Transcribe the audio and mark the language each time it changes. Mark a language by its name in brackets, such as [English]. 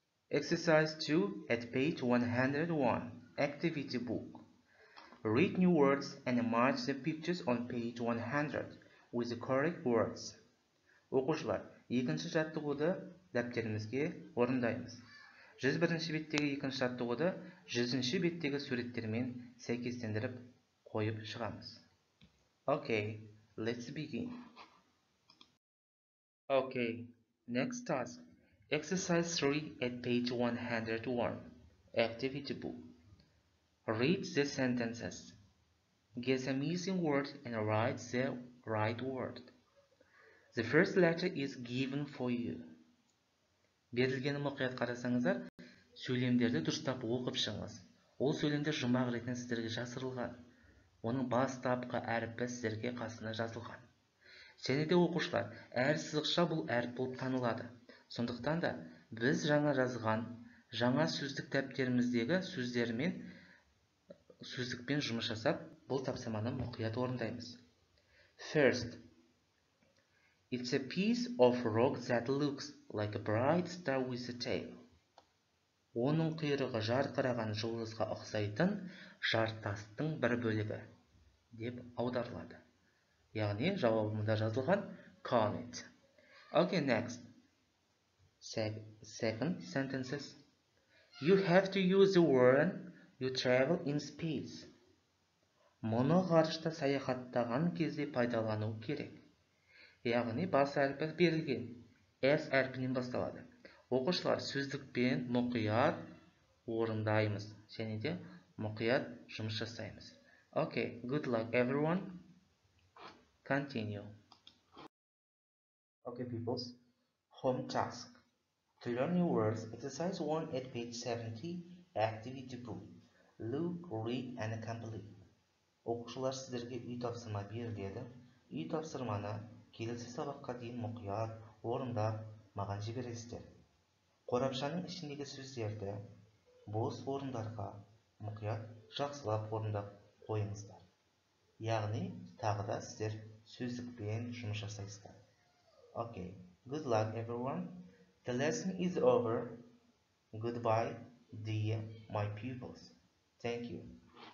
[English] Exercise 2 at page 101, activity book. Read new words and match the pictures on page 100 with the correct words. [Kazakh] Оқушылар, екінші жаттығуды дәптерімізге орындаймыз. 101-ші беттегі екінші жаттығуды 100-ші беттегі суреттермен сәйкестендіріп қойып шығамыз. [English] Okay, let's begin. Okay, next task. Exercise 3 at page 101. Activity book. Read the sentences. Guess a missing word and write the right word. The first letter is given for you. [Kazakh] Берілген мұқият қарасаңыздар, сөйлемдерді дұрыстап оқып шығыңыз. Ол сөйлемдер жұмбақ ретінде сіздерге жасырылған. Оның бастапқы әріпі сіздерге қасына жазылған. Және де оқушылар, әр сызықша бұл әріп болып танылады. Сондықтан да, біз жаңа жазған, жаңа сөздік дәптеріміздегі сөздермен, сөздікпен жұмыс жасап, бұл тапсырманы мұқият орындаймыз. [English] First, it's a piece of rock that looks like a bright star with a tail. [Kazakh] Оның құйрығы жарқыраған жұлдызға ұқсайтын жартастың бір бөлігі, деп аударылады. Яғни жауабымда жазылған comet. [English] Okay, next. Second sentences. You have to use the word you travel in space. [Kazakh] Мұны ғарышта саяхаттаған кезде пайдалану керек. Яғни бас әрпі берілген S әрпінен басталады. Оқушылар, сөздікпен мұқият орындаймыз. Және де мұқият жұмыс жасаймыз. [English] Okay, good luck everyone. Continue. Okay, peoples, home task. To learn new words, exercise 1 at page 70, activity book. Look, read and complete. [Kazakh] Оқушылар, сіздерге үй тапсырма беріледі. Үй тапсырманы келесі сабаққа дейін мұқият орындап маған жібересіздер. Қорапшаның ішіндегі сөздерді бос орындарға мұқият жақсылап орындап қойыңыздар. Яғни, тағы да сіздер сөздікпен жұмыс жасайсыздар. [English] Okay, good luck everyone. The lesson is over. Goodbye, dear my pupils. Thank you.